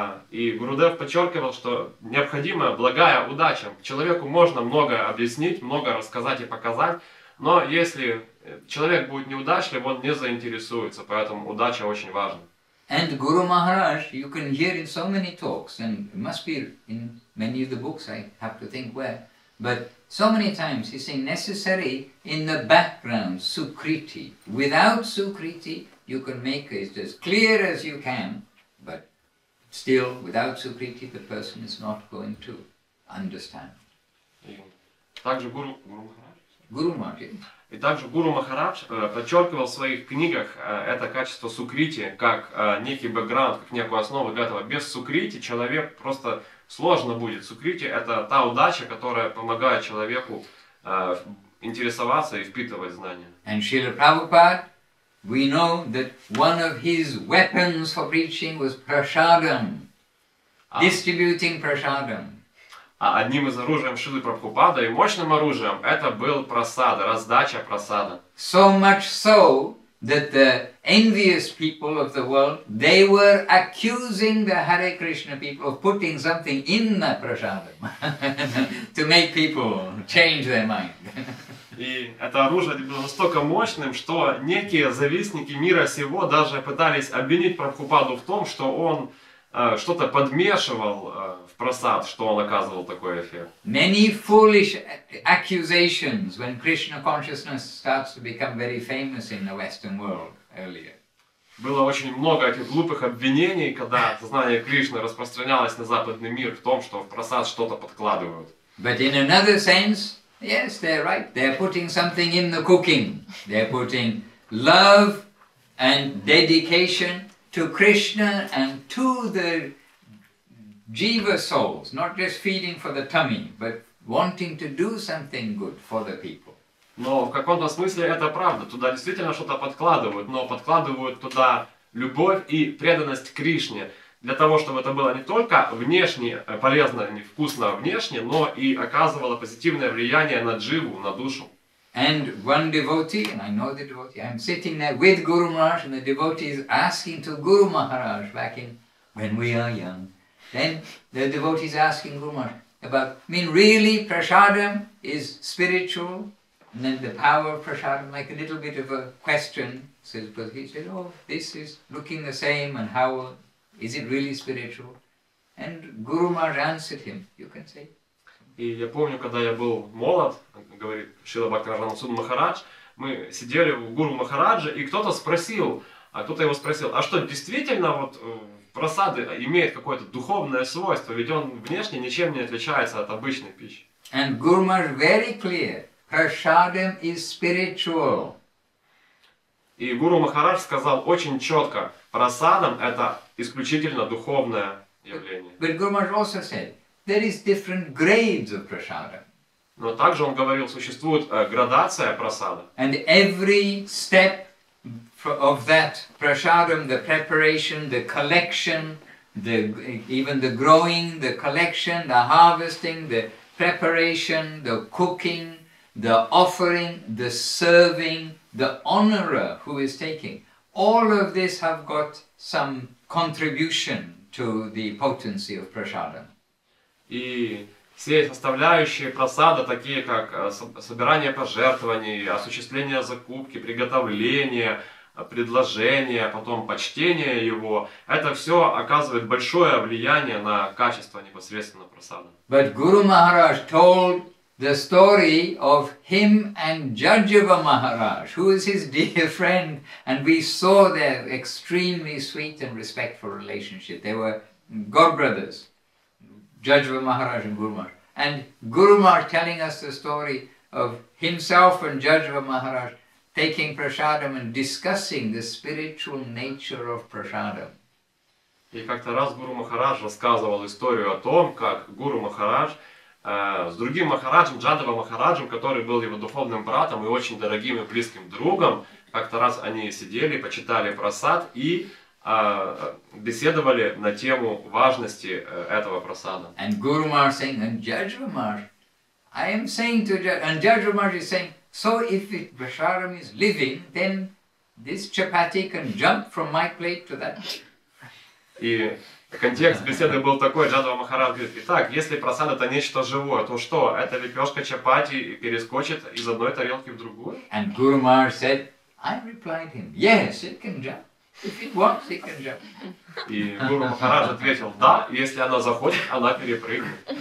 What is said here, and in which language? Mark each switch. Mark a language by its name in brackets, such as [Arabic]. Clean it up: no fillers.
[Russian] И Гурудев подчеркивал, что необходима благая удача. Человеку можно много объяснить, много рассказать и показать, но если человек будет неудачлив, он не заинтересуется, поэтому удача очень важна. [English] And Guru Maharaj, you can hear in so many talks, and it must be in many of the books, I have to think where, but so many times he's saying necessary in the background, sukriti. Without sukriti, you can make it as clear as you can, but still, without sukriti, the person is not going to understand. [Russian] Также Гуру Махарадж. Гуру Махарадж. И также Гуру Махарадж подчеркивал в своих книгах это качество сукрити, как некий бэкграунд, как некую основу для этого. Без сукрити человек просто сложно будет. Сукрити – это та удача, которая помогает человеку интересоваться и впитывать знания. [English] And Srila Prabhupada, we know that one of his weapons for preaching was prasadam, distributing prasadam. [Russian] А одним из оружием Шилы Прабхупады и мощным оружием это был прасад, раздача прасада. [English] So much so that the envious people of the world, they were accusing the Hare Krishna people of putting something in the prasadam to make people change their mind. [Russian] И это оружие было настолько мощным, что некие завистники мира сего даже пытались обвинить Прабхупаду в том, что он что-то подмешивал в просад, что он оказывал такой эффект. [English] Many foolish accusations when Krishna consciousness starts to become very famous in the Western world earlier. [Russian] Было очень много этих глупых обвинений, когда сознание Кришны распространялось на западный мир в том, что в просад что-то подкладывают. [English] But in another sense, yes, they're right. They're putting something in the cooking. They're putting love and dedication to Krishna and to the jiva souls, not just feeding for the tummy, but wanting to do something good for the people. [Russian] Но в каком-то смысле это правда. Туда действительно что-то подкладывают, но подкладывают туда любовь и преданность Кришне для того, чтобы это было не только внешне полезно, не вкусно внешне, но и оказывало позитивное влияние на дживу, на душу. [English] And one devotee, and I know the devotee, I'm sitting there with Guru Maharaj, and the devotee is asking to Guru Maharaj back in when we are young. Then the devotee is asking Guru Maharaj about, I mean, really, prasadam is spiritual, and then the power of prasadam, like a little bit of a question. Says, but he said, oh, this is looking the same, and how is it really spiritual? And Guru Maharaj answered him, you can say. [Russian] И я помню, когда я был молод, говорит Шрила Бхактираджана Суд Махарадж, мы сидели у Гуру Махараджа, и кто-то его спросил, а что, действительно вот просады имеют какое-то духовное свойство, ведь он внешне ничем не отличается от обычной пищи. [English] And Guru Maharaj very clear, prasadam is spiritual. [Russian] И Гуру Махарадж сказал очень четко, просадам это исключительно духовное явление. [English] But Guru Maharaj also said, there is different grades of prasadam. [Russian] Но также он говорил, существует градация прасада. [English] And every step of that prasadam, the preparation, the collection, the even the growing, the collection, the harvesting, the preparation, the cooking, the offering, the serving, the honorer who is taking. All of this have got some contribution to the potency of prasadam. [Russian] И все составляющие просада, такие как собирание пожертвований, осуществление закупки, приготовление, предложение, потом почтение его, это все оказывает большое влияние на качество непосредственно просада. [English] But Guru Maharaj told the story of him and Jajava Maharaj, who is his dear friend, and we saw their extremely sweet and respectful relationship. They were god brothers. Jajava Maharaj and Guru Maharaj. And Guru Maharaj telling us the story of himself and Jajava Maharaj taking prasadam and discussing the spiritual nature of prasadam. [Russian] И как-то раз Гуру Махарадж рассказывал историю о том, как Гуру Махарадж с другим Махараджем, Джадава Махараджем, который был его духовным братом и очень дорогим и близким другом, как-то раз они сидели, почитали прасад и беседовали на тему важности этого просада. [English] And Guru Maharaj saying, and Jajava Maharaj, I am saying to and Jajava Maharaj is saying, so if it prasadam is living, then this chapati can jump from my plate to that. [Russian] И контекст беседы был такой: Джадава Махарадж говорит, итак, если просад это нечто живое, то что? Эта лепешка чапати перескочит из одной тарелки в другую? [English] And Guru Maharaj said, I replied him, yes, it can jump. If it wants, it can jump. [Russian] И Гуру Махарадж ответил, да, если она захочет, она перепрыгнет.